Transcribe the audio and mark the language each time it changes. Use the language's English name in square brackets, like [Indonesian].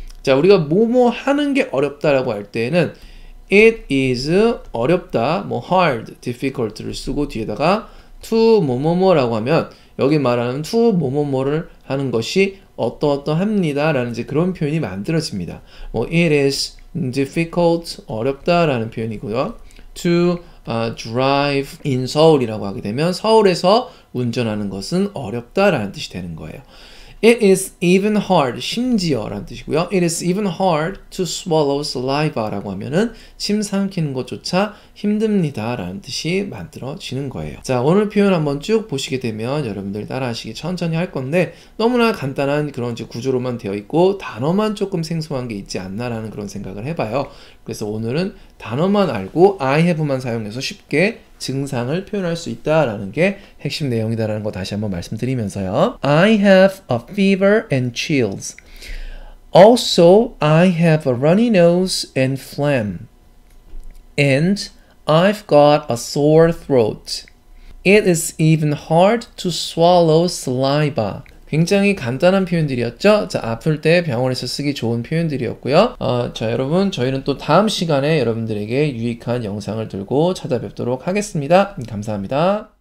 [Korean] 자, 우리가 뭐뭐 하는 게 어렵다라고 할 때는 it is 어렵다, 뭐 hard, difficult 를 쓰고 뒤에다가 to 뭐뭐뭐라고 하면, 여기 말하는 to 뭐뭐뭐를 하는 것이 어떠어떠합니다라는 이제 그런 표현이 만들어집니다. 뭐 it is difficult, 어렵다라는 표현이고요. to drive in 서울이라고 하게 되면 서울에서 운전하는 것은 어렵다라는 뜻이 되는 거예요. [English] It is even hard, 심지어라는 뜻이고요. [Korean] It is even hard to swallow saliva 라고 하면은 침 삼키는 것조차 힘듭니다라는 뜻이 만들어지는 거예요. 자, 오늘 표현 한번 쭉 보시게 되면 여러분들 따라 하시기 천천히 할 건데, 너무나 간단한 그런 구조로만 되어 있고 단어만 조금 생소한 게 있지 않나라는 그런 생각을 해봐요. 그래서 오늘은 단어만 알고 I have 만 사용해서 쉽게 증상을 표현할 수 있다라는 게 핵심 내용이다라는 거 다시 한번 말씀드리면서요. [English] I have a fever and chills. Also, I have a runny nose and phlegm. And I've got a sore throat. It is even hard to swallow saliva. [Korean] 굉장히 간단한 표현들이었죠? 자, 아플 때 병원에서 쓰기 좋은 표현들이었고요. 자, 여러분, 저희는 또 다음 시간에 여러분들에게 유익한 영상을 들고 찾아뵙도록 하겠습니다. 감사합니다.